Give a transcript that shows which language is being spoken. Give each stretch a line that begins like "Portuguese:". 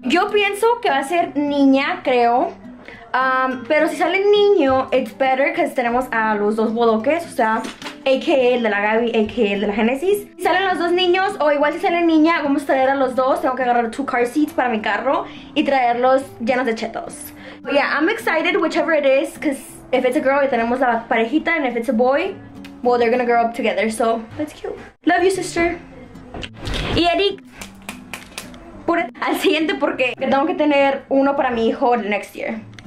Spanish: Yo pienso que va a ser niña, creo. Pero si sale niño,
English: it's better because
Spanish: tenemos a los dos bodoques, o sea, a.k.a. el de la Gaby, a.k.a. el de la Genesis. Si salen los dos niños, o igual si sale niña, vamos a traer a los dos. Tengo que agarrar
English: two car seats
Spanish: para mi carro y traerlos llenos de chetos.
English: But yeah, I'm excited, whichever it is, because if it's a girl,
Spanish: ya tenemos la parejita,
English: and if it's a boy, well, they're gonna grow up together, so that's cute. Love you, sister.
Spanish: Y Eric, por al siguiente porque tengo que tener uno para mi hijo el
English: next year.